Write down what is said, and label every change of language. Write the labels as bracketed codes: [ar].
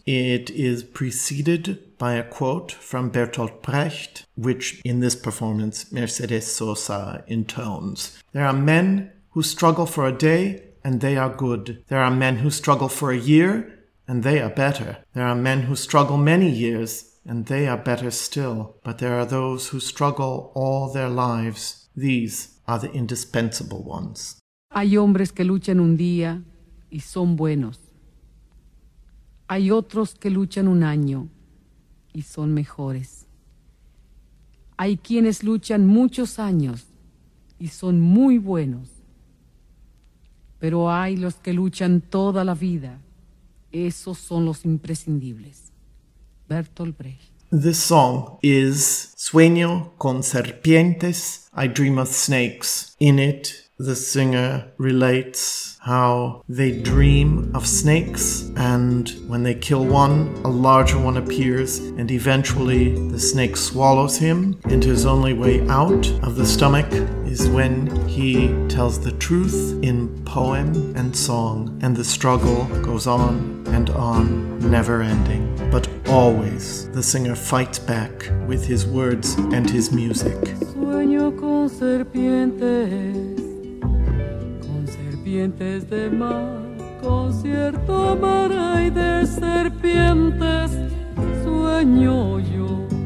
[en] It is preceded by a quote from Bertolt Brecht, which in this performance Mercedes Sosa intones. There are men who struggle for a day and they are good. There are men who struggle for a year and they are better. There are men who struggle many years, and they are better still. But there are those who struggle all their lives. These are the indispensable ones. [es] Hay hombres que luchan un día y son buenos. Hay otros que luchan un año y son mejores. Hay quienes luchan muchos años y son muy buenos. Pero hay los que luchan toda la vida. Esos son los imprescindibles. [en] Bertolt Brecht. This song is Sueño con Serpientes, I Dream of Snakes. In it, the singer relates how they dream of snakes, and when they kill one, a larger one appears, and eventually the snake swallows him, and his only way out of the stomach is when he tells the truth in poem and song, and the struggle goes on and on, never ending. But always, the singer fights back with his words and his music. [es] Sueño con serpientes, con serpientes de mar, con cierto mar hay de serpientes, sueño yo.